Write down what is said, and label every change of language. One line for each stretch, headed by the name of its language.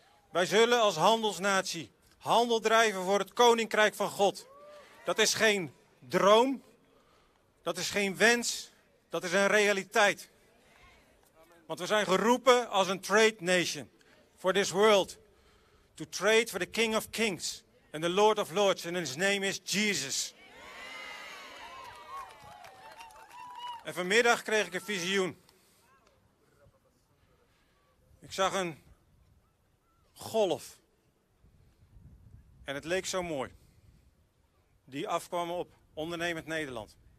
Dutch: Wij zullen als handelsnatie handel drijven voor het Koninkrijk van God. Dat is geen droom, dat is geen wens. Dat is een realiteit. Want we zijn geroepen als een
English: trade nation for this world. To trade for the King of Kings and the Lord of Lords. And his name is Jesus.
Dutch: En vanmiddag kreeg ik een visioen. Ik zag een golf. En het leek zo mooi. Die afkwam op Ondernemend Nederland.